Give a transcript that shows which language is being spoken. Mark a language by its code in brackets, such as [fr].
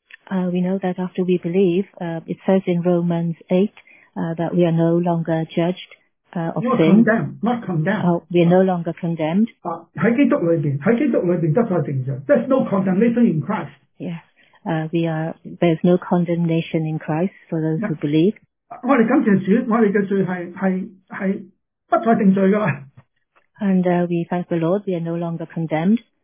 [en] We know that after we believe, it says in Romans 8 that we are no longer judged of not sin. Not condemned. We are no longer condemned. [zh] 在基督里面得罪定罪。 [en] There's no condemnation in Christ. Yes. There's no condemnation in Christ for those who believe. [zh] 我们感谢主，我们的罪是不再定罪的了。 [en] And we thank the Lord, we are no longer condemned.